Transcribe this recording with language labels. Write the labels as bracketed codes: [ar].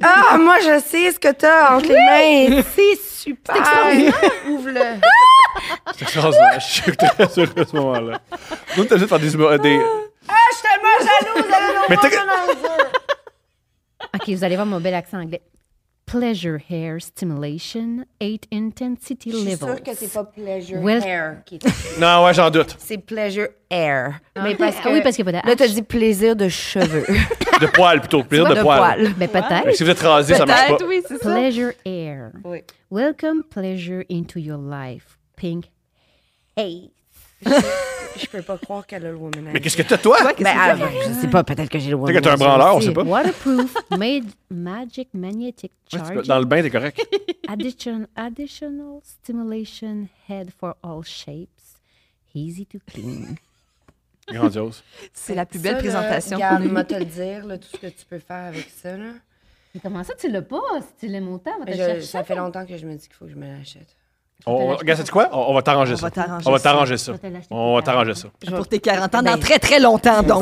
[fr] Ah, moi, je sais ce que t'as entre les mains. C'est super. C'est extraordinaire. Ouvre-le. C'est extraordinaire. Je suis très heureux à ce moment-là. Nous, t'as juste fait des... Ah, je suis tellement jalouse. OK, vous allez voir mon bel accent anglais. [en] pleasure hair stimulation, 8 intensity levels. [fr] Je suis sûre que c'est pas [en] pleasure hair [fr] qui t'a... Non, ouais, j'en doute. C'est [en] pleasure hair. [fr] Mais okay. Parce que... Oui, parce qu'il y a pas de H. Là, t'as dit plaisir de cheveux. De poils, plutôt. Plaisir de poils. Poil. Mais peut-être. Ouais. Mais si vous êtes rasé, ça marche pas. Peut-être, oui, c'est ça. [en] Pleasure hair. [fr] Oui. [en] Welcome pleasure into your life, pink. Hey. [fr] Je peux pas croire qu'elle a le woman. Mais qu'est-ce que t'as, toi? Ben, je sais pas, peut-être que j'ai le woman. Peut-être que t'as un branleur, on sait pas. [en] Waterproof, made magic magnetic charge. [fr] Dans le bain, t'es correct. [en] Additional stimulation head for all shapes. Easy to clean. [fr] Grandiose. C'est la plus belle ça, présentation. Regarde, moi te le dire, là, tout ce que tu peux faire avec ça. Là. Mais comment ça, tu l'as pas? Si tu l'as monté, on va te chercher. Ça fait longtemps que je me dis qu'il faut que je me l'achète. Regarde, c'est quoi? On va t'arranger ça. On va t'arranger ça. On va t'arranger ça. Pour tes 40 ans, dans très, très longtemps, donc.